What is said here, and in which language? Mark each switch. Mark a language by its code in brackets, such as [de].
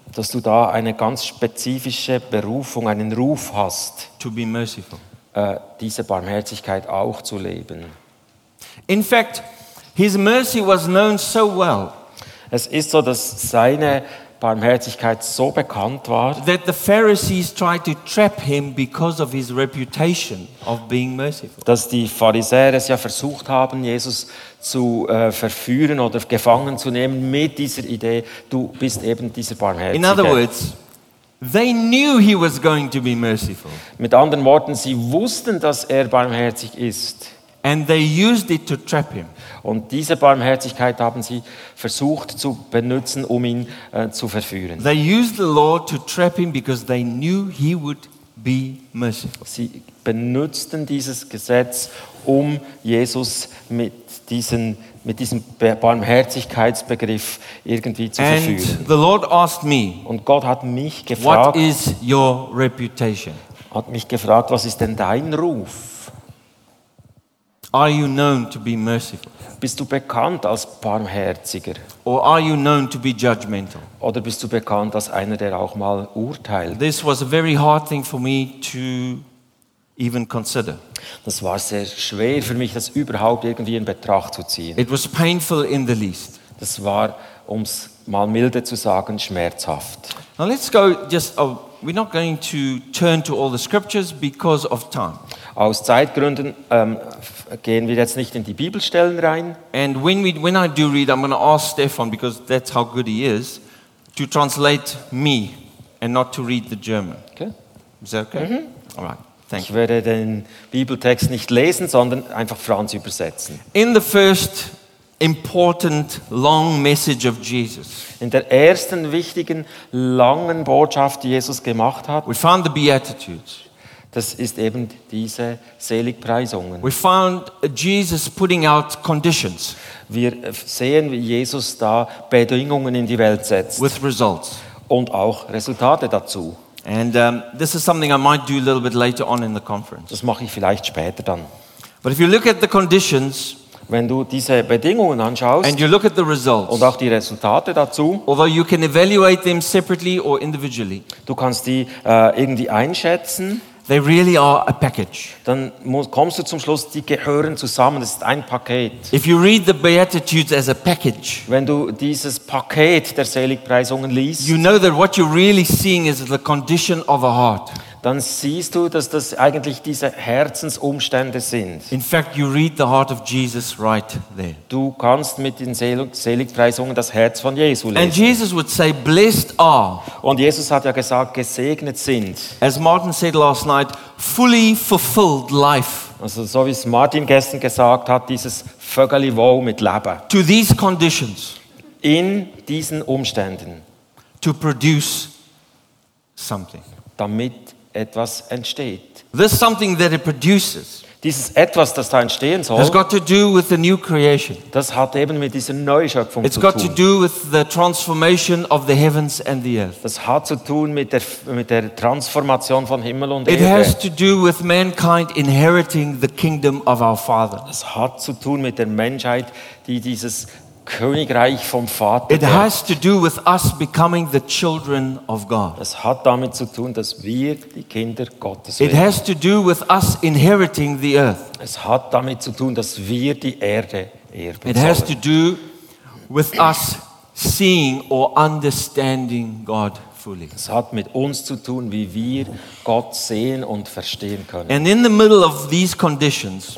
[de] Dass du da eine ganz spezifische Berufung, einen Ruf hast. [en] To be merciful. [de] Diese Barmherzigkeit auch zu leben. [en] In fact, his mercy was known so well. [de] Es ist so, dass seine Barmherzigkeit so bekannt war, [en] that the Pharisees tried to trap him because of his reputation of being merciful. [de] Dass die Pharisäer es ja versucht haben, Jesus zu verführen oder gefangen zu nehmen mit dieser Idee, du bist eben dieser Barmherzige. [en] In other words, they knew he was going to be merciful. [de] Mit anderen Worten, sie wussten, dass er barmherzig ist. [en] And they used it to trap him. [de] Und diese Barmherzigkeit haben sie versucht zu benutzen, um ihn zu verführen. [en] They used the law to trap him because they knew he would be merciful. [de] Sie benutzten dieses Gesetz, um Jesus mit diesem Barmherzigkeitsbegriff irgendwie zu verführen. [en] And the Lord asked me, [de] und Gott hat mich gefragt, [en] what is your reputation? [de] Hat mich gefragt, was ist denn dein Ruf? [en] Are you known to be merciful? [de] Bist du bekannt als Barmherziger? [en] Or are you known to be judgmental? [de] Oder bist du bekannt als einer, der auch mal urteilt? [en] This was a very hard thing for me to even consider. [de] Das war sehr schwer für mich, das überhaupt irgendwie in Betracht zu ziehen. [en] It was painful in the least. [de] Das war, um es mal milde zu sagen, schmerzhaft. [en] Now let's go just we're not going to turn to all the scriptures because of time. [de] Aus Zeitgründen gehen wir jetzt nicht in die Bibelstellen rein. [en] And when I do read, I'm going to ask Stefan, because that's how good he is, to translate me and not to read the German. Okay. Is that okay? Mm-hmm. All right. Thank you. [de] Ich werde den Bibeltext nicht lesen, sondern einfach Franz übersetzen. [en] In the first important long message of Jesus. [de] In der ersten wichtigen langen Botschaft, die Jesus gemacht hat. [en] We found the Beatitudes. [de] Das ist eben diese Seligpreisungen. [en] We found Jesus putting out conditions. [de] Wir sehen, wie Jesus da Bedingungen in die Welt setzt. [en] With results. [de] Und auch Resultate dazu. [en] And this is something I might do a little bit later on in the conference. [de] Das mache ich vielleicht später dann. [en] But if you look at the conditions. [de] Wenn du diese Bedingungen anschaust, [en] and you look at the results, [de] und auch die Resultate dazu, [en] although you can evaluate them separately or individually, [de] du kannst die irgendwie einschätzen, [en] they really are a package. [de] Dann kommst du zum Schluss, die gehören zusammen, das ist ein Paket. [en] If you read the Beatitudes as a package, [de] wenn du dieses Paket der Seligpreisungen liest, [en] you know that what you're really seeing is the condition of a heart. [de] Dann siehst du, dass das eigentlich diese Herzensumstände sind. [en] In fact, you read the heart of Jesus right there. [de] Du kannst mit den Seligpreisungen das Herz von Jesu lesen. [en] And Jesus would say, "Blessed are." [de] Und Jesus hat ja gesagt, gesegnet sind. [en] As Martin said last night, fully fulfilled life. [de] Also so wie es Martin gestern gesagt hat, dieses Vögeli wow mit Leben. [en] To these conditions. [de] In diesen Umständen. [en] To produce something. [de] Damit etwas entsteht. [en] This something that it produces. [de] dieses Etwas, das da entstehen soll, [en] has got to do with the new creation. [de] Das hat eben mit dieser Neuschöpfung [en] It's [de] zu [en] got [de] tun. [en] To do with the transformation of the heavens and the earth. [de] Das hat zu tun mit der Transformation von Himmel und Erde. [en] It has to do with mankind inheriting the kingdom of our Father. [de] Das hat zu tun mit der Menschheit, die dieses Königreich vom Vater. [en] It has to do with us becoming the children of God. [de] Es hat damit zu tun, dass wir die Kinder Gottes werden. [en] It has to do with us inheriting the earth. [de] Es hat damit zu tun, dass wir die Erde erben. [en] It has to do with us seeing or understanding God fully. [de] Es hat mit uns zu tun, wie wir Gott sehen und verstehen können. [en] And in the middle of these conditions,